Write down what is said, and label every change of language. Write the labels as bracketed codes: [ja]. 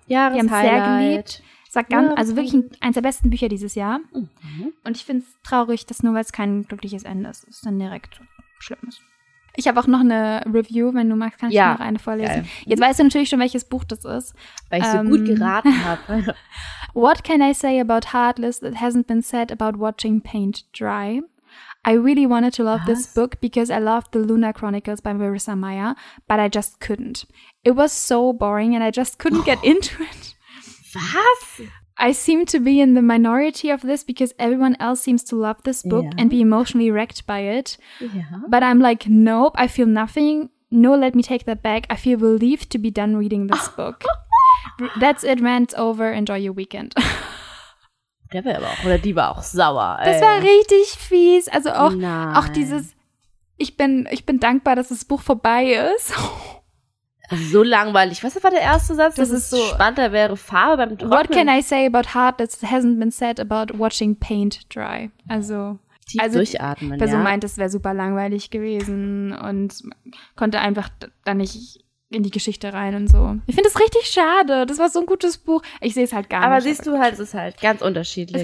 [de] Jahreshighlight. Wir haben es sehr geliebt. Also wirklich eins der besten Bücher dieses Jahr. Mhm. Und ich finde es traurig, dass nur weil es kein glückliches Ende ist, es dann direkt schlimm ist. Ich habe auch noch eine Review, wenn du magst, kann ich noch eine vorlesen. Geil. Jetzt weißt du natürlich schon, welches Buch das ist. Weil ich so gut geraten habe. [en] What can I say about Heartless that hasn't been said about watching paint dry? I really wanted to love this book because I loved The Lunar Chronicles by Marissa Meyer, but I just couldn't. It was so boring and I just couldn't get into it. [de] Was? [en] I seem to be in the minority of this because everyone else seems to love this book and be emotionally wrecked by it. Yeah. But I'm like, nope, I feel nothing. No, let me take that back. I feel relieved to be done reading this book. That's it, rant's over. Enjoy your weekend. [de] Der war aber auch, oder die war auch sauer, ey. Das war richtig fies. Also auch dieses, ich bin dankbar, dass das Buch vorbei ist. So langweilig. Was war der erste Satz? Das ist so spannender wäre Farbe beim Trocknen. [en] What can I say about heart that hasn't been said about watching paint dry? [de] Also, tief also durchatmen, die Person meint, es wäre super langweilig gewesen und konnte einfach da nicht in die Geschichte rein und so. Ich finde es richtig schade. Das war so ein gutes Buch. Ich sehe es halt gar aber nicht. Aber siehst du halt, es ist halt ganz unterschiedlich.